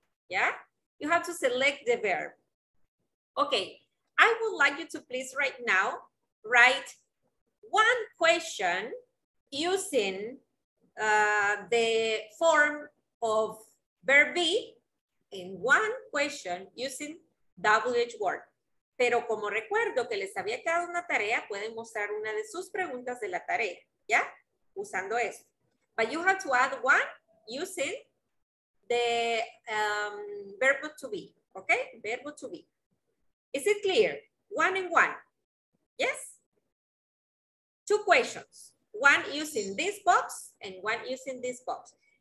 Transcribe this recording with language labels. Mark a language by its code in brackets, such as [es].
[en] Yeah, you have to select the verb. Okay, I would like you to please right now write one question using the form of verb be and one question using WH word. [es] Pero como recuerdo que les había quedado una tarea, pueden mostrar una de sus preguntas de la tarea, ¿ya? Usando esto. [en] But you have to add one using the verb to be, okay? Verb to be. Is it clear? One and one, yes? Two questions, one using this box and one using this box.